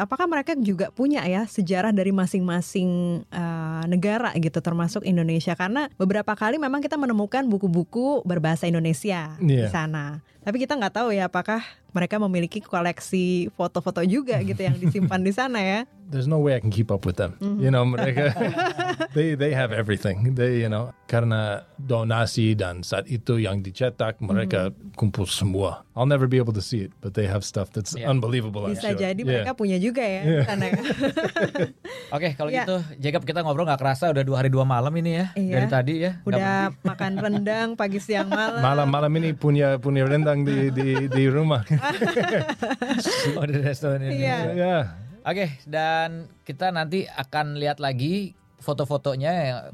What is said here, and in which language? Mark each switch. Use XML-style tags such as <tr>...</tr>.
<id>Apakah mereka juga punya ya sejarah dari masing-masing negara gitu, termasuk Indonesia? Karena beberapa kali memang kita menemukan buku-buku berbahasa Indonesia di sana. Tapi kita nggak tahu ya apakah mereka memiliki koleksi foto-foto juga gitu yang disimpan di sana ya.</id> <en>There's no way I can keep up with them. Mm-hmm. You know,</en> <id>mereka,</id> <en>they have everything. They, you know,</en> <id>karena donasi dan saat itu yang dicetak, mereka kumpul semua.</id> <en>I'll never be able to see it, but they have stuff that's unbelievable.</en> <id>Bisa jadi mereka punya juga ya. Oke, kalau gitu, Jacob, kita ngobrol gak kerasa udah 2 hari 2 malam ini ya. Dari tadi ya. Udah makan rendang pagi siang malam. Malam-malam ini punya rendang di rumah. Oh, di restoran ini. Oke, dan kita nanti akan lihat lagi foto-fotonya.</id>